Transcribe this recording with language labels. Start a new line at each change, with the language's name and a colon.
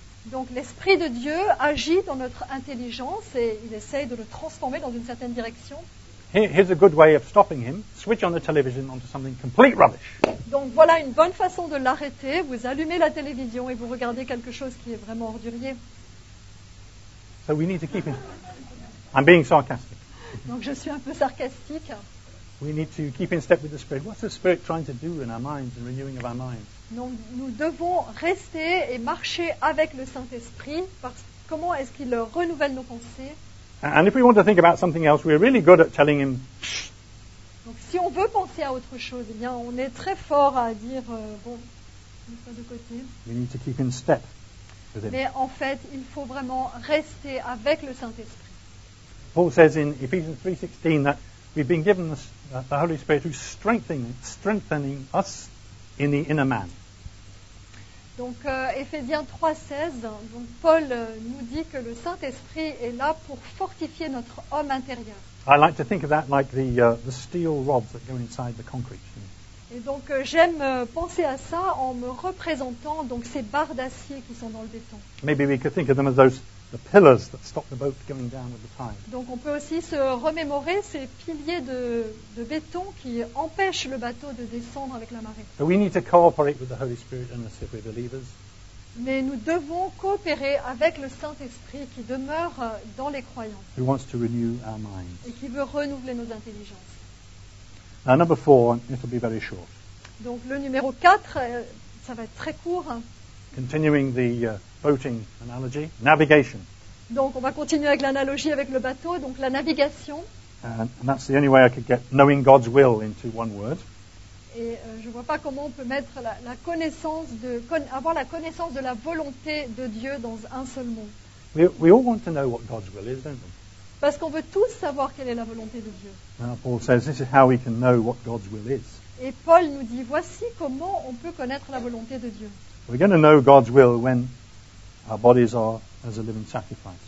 French: Donc, l'Esprit de Dieu agit dans notre intelligence et il essaye de le transformer dans une certaine direction.
English: Here's a good way of stopping him. Switch on the television onto something complete rubbish.
French: Donc voilà une bonne façon de l'arrêter. Vous allumez la télévision et vous regardez quelque chose qui est vraiment ordurier.
English: So we need to keep in. I'm being sarcastic.
French: Donc je suis un peu sarcastique.
English: We need to keep in step with the Spirit. What's the Spirit trying to do in our minds and renewing of our minds?
French: Donc nous devons rester et marcher avec le Saint-Esprit. Comment est-ce qu'il renouvelle nos pensées?
English: And if we want to think about something else, we're really good at telling him.
French: Donc, si on veut penser à autre chose, eh bien, on est très fort à dire bon, mets ça de côté.
English: We need to keep in step with him.
French: Mais en fait, il faut vraiment rester avec le Saint-Esprit.
English: Paul says in Ephesians 3:16 that we've been given the Holy Spirit who's strengthening us in the inner man.
French: Donc, Éphésiens 3:16, donc Paul nous dit que le Saint-Esprit est là pour fortifier notre homme intérieur.
English: I like to think of that like the steel rods that go inside the concrete.
French: Et donc, j'aime penser à ça en me représentant donc ces barres d'acier qui sont dans le béton.
English: Maybe we could think of them as the pillars that stop the boat going down with the tide.
French: Donc, on peut aussi se remémorer ces piliers de béton qui empêchent le bateau de descendre avec la marée.
English: But we need to cooperate with the Holy Spirit and if we're believers.
French: Mais nous devons coopérer avec le Saint-Esprit qui demeure dans les croyants.
English: Who wants to renew our minds.
French: Et qui veut renouveler nos intelligences.
English: Now, number four, it'll be very short.
French: Donc, le numéro 4, ça va être très court.
English: Continuing the boating analogy, navigation.
French: Donc, on va continuer avec l'analogie avec le bateau, donc la navigation.
English: And that's the only way I could get knowing God's will into one word.
French: Et je vois pas comment on peut mettre la connaissance de avoir la connaissance de la volonté de Dieu dans un seul mot.
English: We all want to know what God's will is, don't we?
French: Parce qu'on veut tous savoir quelle est la volonté de Dieu.
English: Now, Paul says this is how we can know what God's will is.
French: Et Paul nous dit voici comment on peut connaître la volonté de Dieu.
English: We're going to know God's will when our bodies are as a living sacrifice.